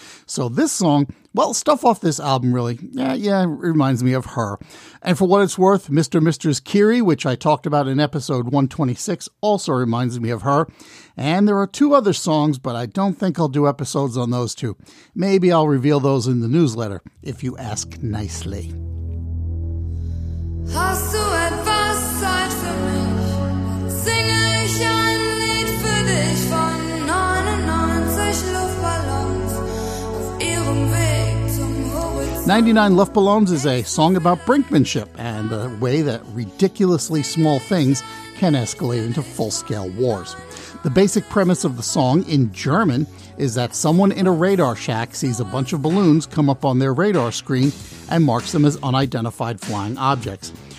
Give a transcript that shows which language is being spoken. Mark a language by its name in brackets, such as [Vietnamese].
[English] So this song, well, stuff off this album, really. Yeah, it reminds me of her. And for what it's worth, Mr. Mistress Kiri, which I talked about in episode 126, also reminds me of her. And there are two other songs, but I don't think I'll do episodes on those two. Maybe I'll reveal those in the newsletter, if you ask nicely. [German] Hast du etwas Zeit für mich? Singe ich ein Lied für dich von 99 Luftballons auf ihrem Weg zum Horizont. [English] 99 Luftballons is a song about brinkmanship and the way that ridiculously small things can escalate into full-scale wars. The basic premise of the song, in German, is that someone in a radar shack sees a bunch of balloons come up on their radar screen and marks them as unidentified flying objects.